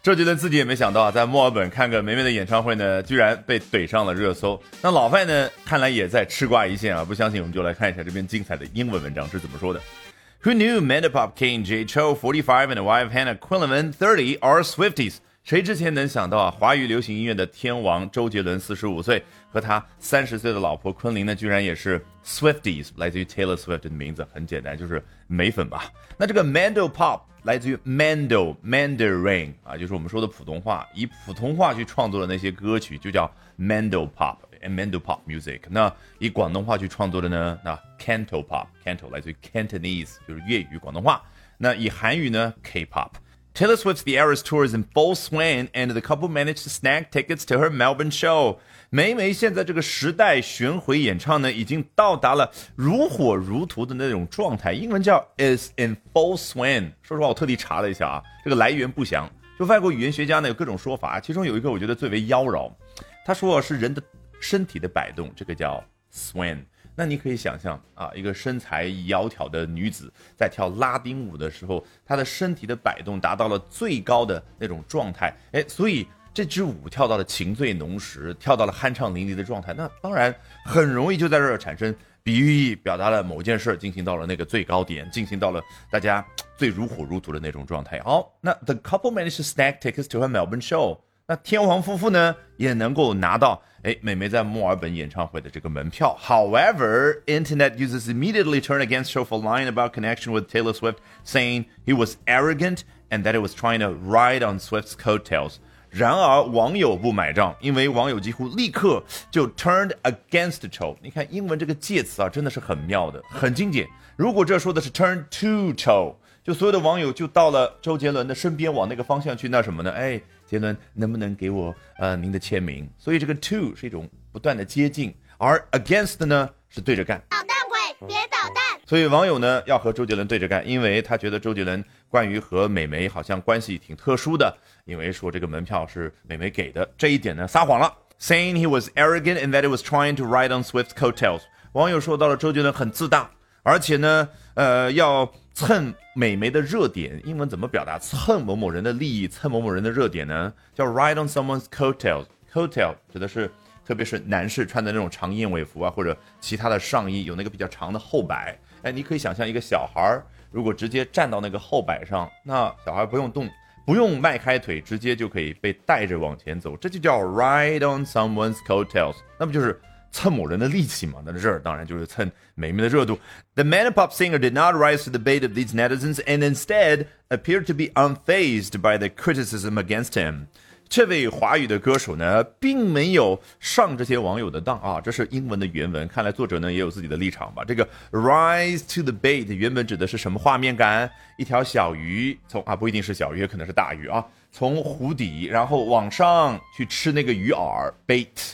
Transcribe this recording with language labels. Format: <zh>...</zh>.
<zh>周杰伦自己也没想到，在墨尔本看个霉霉的演唱会呢，居然被怼上了热搜。那老范呢，看来也在吃瓜一线啊！不相信，我们就来看一下这篇精彩的英文文章是怎么说的。</zh> <en>Who knew Mandopop King Jay Chou 45 and wife Hannah Quinlivan 30 are Swifties？</en> <zh>谁之前能想到啊，华语流行音乐的天王周杰伦45岁和他30岁的老婆昆凌呢，居然也是 Swifties， 来自于 Taylor Swift 的名字，很简单，就是霉粉吧。那这个 Mandopop 来自于 Mandarin 啊，就是我们说的普通话，以普通话去创作的那些歌曲就叫 Mandopop。</zh> <en>And Mandopop music，</en> <zh>那以广东话去创作的呢？那 Canto pop，Canto 来自于 Cantonese， 就是粤语广东话。那以韩语呢 ？K-pop。</zh> <en>Taylor Swift's The Eras Tour is in full swing， and the couple managed to snag tickets to her Melbourne show。</en> <zh>霉霉现在这个时代巡回演唱呢，已经到达了如火如荼的那种状态，英文叫</zh> <en>is in full swing。</en> <zh>说实话，我特地查了一下啊，这个来源不详。就外国语言学家呢有各种说法，其中有一个我觉得最为妖娆，他说是人的身体的摆动，这个叫 swing。那你可以想象啊，一个身材窈窕的女子在跳拉丁舞的时候，她的身体的摆动达到了最高的那种状态，哎，所以这支舞跳到了情醉浓时，跳到了酣畅淋漓的状态，那当然很容易就在这儿产生比喻，表达了某件事进行到了那个最高点，进行到了大家最如火如荼的那种状态。好，那</zh> <en>the couple managed to snag tickets to her Melbourne show，</en> <zh>那天王夫妇呢也能够拿到哎妹妹在墨尔本演唱会的这个门票。</zh> <en>However, internet users immediately turned against Chou for lying about connection with Taylor Swift, saying he was arrogant and that he was trying to ride on Swift's coattails.</en> <zh>然而网友不买账，因为网友几乎立刻就</zh> <en>turned against Chou。</en> <zh>你看英文这个介词啊，真的是很妙的，很经典。如果这说的是 turn to Chou，就所有的网友就到了周杰伦的身边，往那个方向去，那什么呢？哎，杰伦能不能给我您的签名？所以这个 to 是一种不断的接近，而 against 呢是对着干。捣蛋鬼，别捣蛋！所以网友呢要和周杰伦对着干，因为他觉得周杰伦关于和美眉好像关系挺特殊的，因为说这个门票是美眉给的，这一点呢撒谎了。</zh> <en>Saying he was arrogant and that he was trying to ride on Swift's coattails，</en> <zh>网友说到了周杰伦很自大，而且呢，要蹭美眉的热点，英文怎么表达？蹭某某人的利益，蹭某某人的热点呢？叫</zh> <en>ride on someone's coattails。</en> <zh>coattail 指的是，特别是男士穿的那种长燕尾服啊，或者其他的上衣，有那个比较长的后摆。哎，你可以想象一个小孩如果直接站到那个后摆上，那小孩不用动，不用迈开腿，直接就可以被带着往前走，这就叫</zh> <en>ride on someone's coattails。</en> <zh>那不就是蹭某人的力气嘛，那这当然就是蹭美眉的热度。</zh> <en>The Mandopop singer did not rise to the bait of these netizens and instead appeared to be unfazed by the criticism against him.</en> <zh>这位华语的歌手呢，并没有上这些网友的当啊，这是英文的原文，看来作者呢也有自己的立场吧。这个</zh> <en>rise to the bait</en> <zh>原本指的是什么画面感？一条小鱼从啊，不一定是小鱼，也可能是大鱼啊，从湖底然后往上去吃那个鱼饵 bait。</zh>